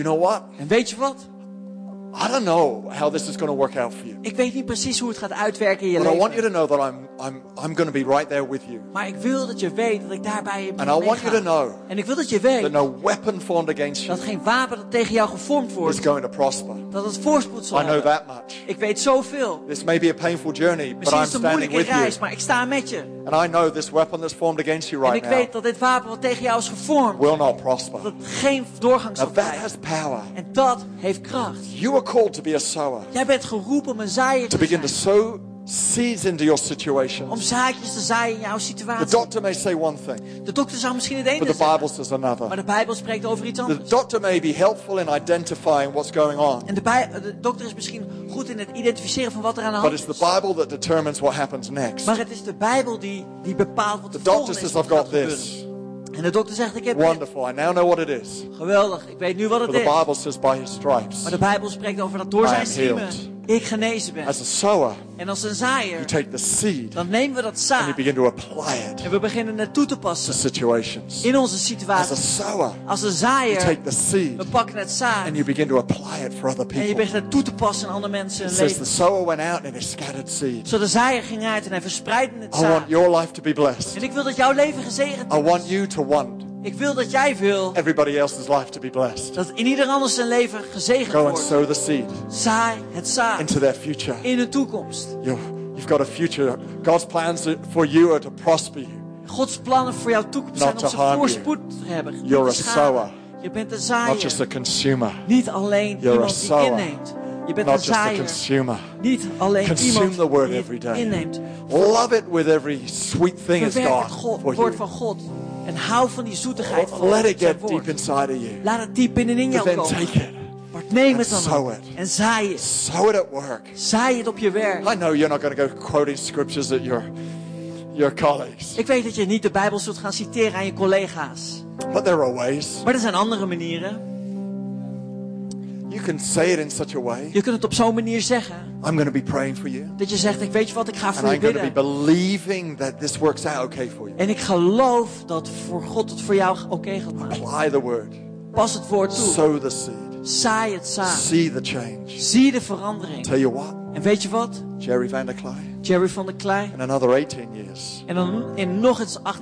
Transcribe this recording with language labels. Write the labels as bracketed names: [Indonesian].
[English] You know what? [Dutch] En weet je wat? [English] I don't know how this is going to work out for you. [Dutch] Ik weet niet precies hoe het gaat uitwerken in je [English] But [Dutch] leven. [English] But I want you to know that I'm going to be right there with you. [Dutch] Maar ik wil dat je weet dat ik daarbij je mee ga. [English] And I want you to know. [Dutch] En ik wil dat je weet. [English] That no weapon formed against you. [Dutch] Dat geen wapen dat tegen jou gevormd wordt. [English] Is going to prosper. [Dutch] Dat het voorspoed zal hebben. [English] I know that much. [Dutch] Ik weet zoveel. [English] This may be a painful journey, but I'm standing with you. [Dutch] Misschien is het een moeilijke reis, maar ik sta met je. [English] And I know this weapon that's formed against you right now. [Dutch] En ik weet dat dit wapen wat tegen jou is gevormd. [English] Will not prosper. [Dutch] Dat geen doorgang zal krijgen. [English] That has power. [Dutch] En dat heeft kracht. [English] You are called to be a sower. [Dutch] Jij bent geroepen om een zaaier te zijn. [English] To begin to sow seeds into your situation. [Dutch] Om zaadjes te zaaien in jouw situatie. [English] The doctor may say one thing. [Dutch] De dokter zou misschien het ene zeggen. [English] But the Bible says another. [Dutch] Maar de Bijbel spreekt over iets anders. [English] The doctor may be helpful in identifying what's going on. [Dutch] En de dokter is misschien goed in het identificeren van wat er aan de hand is. [English] But it's the Bible that determines what happens next. [Dutch] Maar het is de Bijbel die bepaalt wat er volgt. [English] The doctor says I've got this. [Dutch] En de dokter zegt, ik heb [English] wonderful, I now know what it is. [Dutch] Geweldig, ik weet nu wat het [English] the [Dutch] is. [English] Bible says by his stripes, [Dutch] maar de Bijbel spreekt over dat door zijn striemen ik genezen ben. [English] As a sower, [Dutch] en als een zaaier, [English] you take the seed, [Dutch] dan nemen we dat zaad [English] and you begin to apply it, [Dutch] en we beginnen het toe te passen [English] to situations. [Dutch] In onze situatie. [English] As a sower, [Dutch] als een zaaier, [English] you take the seed, [Dutch] we pakken het zaad [English] and you begin to apply it for other people. [Dutch] En je begint het toe te passen aan andere mensen. [English] It says the sower went out and it scattered seed. [Dutch] Zo de zaaier ging uit en hij verspreidde het zaad. [English] I want your life to be blessed. [Dutch] En ik wil dat jouw leven gezegend is. [English] I want you to want. [Dutch] Ik wil dat jij wil [English] everybody else's life to be blessed. [Dutch] Dat in ieder ander zijn leven gezegend [English] go [Dutch] wordt. [English] And sow the seed. [Dutch] Zaai het zaad. [English] Into their future. [Dutch] In hun toekomst. [English] You've got a future. God's plans for you are to prosper you. [Dutch] Gods plannen voor jouw toekomst [English] not [Dutch] zijn om ze voorspoed te hebben. [English] You're a sower. [Dutch] Je bent een zaaier. [English] Not just a consumer. [Dutch] Niet alleen [English] you're [Dutch] iemand [English] a sower. [Dutch] Die inneemt. Je bent [English] not [Dutch] een zaaier. [English] Just a consumer. [Dutch] Niet alleen [English] consume [Dutch] iemand [English] the word [Dutch] die [English] every day. [Dutch] Inneemt. [English] Love it with every sweet thing it's got for you. [Dutch] Woord van God. En hou van die zoetigheid van [English] let it get [Dutch] woord. [English] Deep inside of you. [Dutch] Laat het diep binnenin jou komen. [English] Take it. [Dutch] Maar neem [English] and [Dutch] het dan [English] sow it. [Dutch] En zaai het. [English] Sow it at work. [Dutch] Zaai het op je werk. [English] I know you're not going to go quoting scriptures at your colleagues. [Dutch] Ik weet dat je niet de Bijbel zult gaan citeren aan je collega's. [English] But there are ways. [Dutch] Maar er zijn andere manieren. [English] You can say it in such a way. [Dutch] Je kunt het op zo'n manier zeggen. [English] I'm going to be praying for you. [Dutch] Dat je zegt, ik weet je wat, ik ga voor [English] and [Dutch] je [English] I'm [Dutch] bidden. [English] Going to be believing that this works out okay for you. [Dutch] En ik geloof dat voor God het voor jou okay gaat maken. [English] Apply the word. [Dutch] Pas het woord toe. [English] Sow the seed. [Dutch] Zaai het zaad. [English] See the change. [Dutch] Zie de verandering. [English] Tell you what. [Dutch] En weet je wat? Jerry van der Klei. Jerry van der Klei. [English] In another 18 years. [Dutch] En dan in nog eens 18